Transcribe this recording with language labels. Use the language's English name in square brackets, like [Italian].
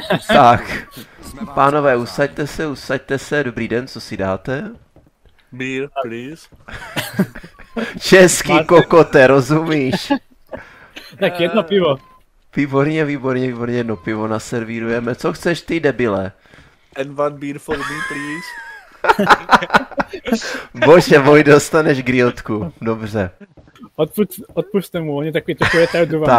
[Czech] Tak, pánové, usaďte se, dobrý den, co si dáte? [English] Beer, please. [Czech] Český kokote, rozumíš? Tak jedno pivo. Výborně, no pivo naservírujeme. Co chceš ty, debile? [English] And one beer for me, please. [Czech] Bože, boj, dostaneš griotku, dobře. Odpušte mu, on je takový, takový tajdovaný.